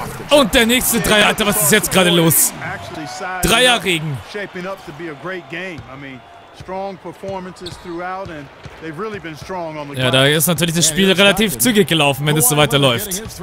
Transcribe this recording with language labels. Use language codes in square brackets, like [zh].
[de] Und der nächste Dreier, Alter, was ist jetzt gerade los? Dreierregen. [en] Shaping up to be a great game. I mean, strong performances throughout and they've really been strong on the. [de] Ja, da ist natürlich das Spiel relativ zügig gelaufen, wenn es so weiterläuft.